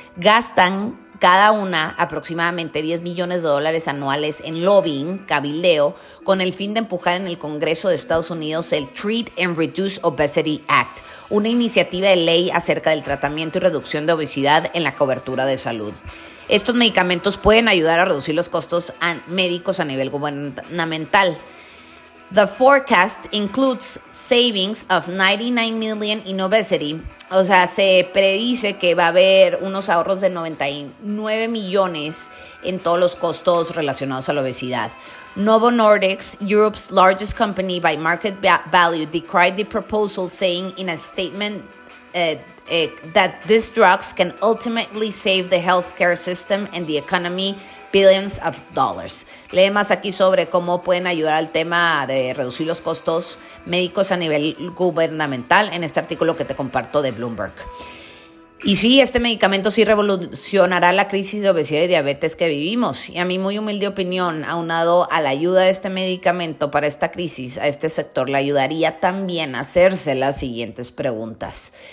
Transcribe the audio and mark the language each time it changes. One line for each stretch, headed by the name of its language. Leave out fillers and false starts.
Spanish: Gastan cada una aproximadamente 10 millones de dólares anuales en lobbying, cabildeo, con el fin de empujar en el Congreso de Estados Unidos el Treat and Reduce Obesity Act, una iniciativa de ley acerca del tratamiento y reducción de obesidad en la cobertura de salud. Estos medicamentos pueden ayudar a reducir los costos médicos a nivel gubernamental.
English: The forecast includes savings of $99 million in obesity.
Spanish: O sea, se predice que va a haber unos ahorros de 99 millones en todos los costos relacionados a la obesidad.
English: Novo Nordisk, Europe's largest company by market value, decried the proposal, saying in a statement that these drugs can ultimately save the healthcare system and the economy billions of dollars.
Spanish: Lee más aquí sobre cómo pueden ayudar al tema de reducir los costos médicos a nivel gubernamental en este artículo que te comparto de Bloomberg. Y sí, este medicamento sí revolucionará la crisis de obesidad y diabetes que vivimos. Y a mi muy humilde opinión, aunado a la ayuda de este medicamento para esta crisis, a este sector le ayudaría también a hacerse las siguientes preguntas.